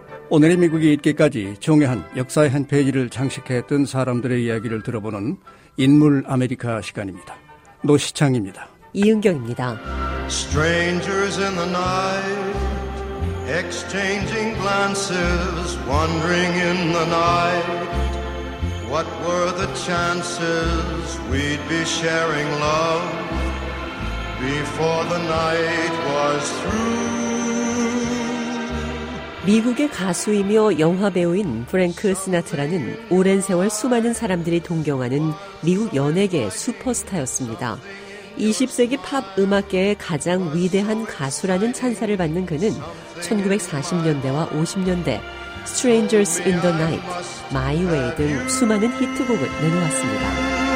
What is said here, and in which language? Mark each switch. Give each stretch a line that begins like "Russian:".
Korean: 오늘의 미국이 있기까지 종회한 역사의 한 페이지를 장식했던 사람들의 이야기를 들어보는 인물 아메리카 시간입니다. 노시창입니다. 이은경입니다.
English: Strangers in the night exchanging glances wandering in the night what were the chances we'd be sharing love before the night was through.
Korean: 미국의 가수이며 영화배우인 프랭크 시나트라는 오랜 세월 수많은 사람들이 동경하는 미국 연예계의 슈퍼스타였습니다. 20세기 팝 음악계의 가장 위대한 가수라는 찬사를 받는 그는 1940년대와 50년대 Strangers in the Night, My Way 등 수많은 히트곡을 내놓았습니다.